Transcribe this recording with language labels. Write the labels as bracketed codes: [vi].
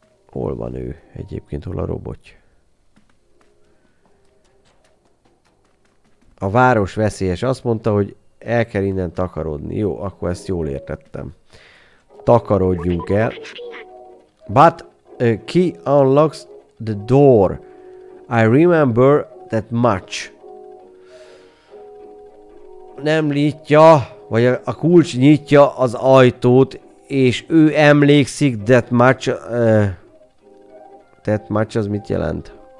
[hu] Hol van ő egyébként, hol a robot? A város veszélyes, azt mondta, hogy el kell innen takarodni. Jó, akkor ezt jól értettem. Takarodjunk el. [en] But key unlocks the door. I remember that much. [hu] Nem nyitja, vagy a kulcs nyitja az ajtót, és ő emlékszik [en] that much. [hu] Tehát match az mit jelent?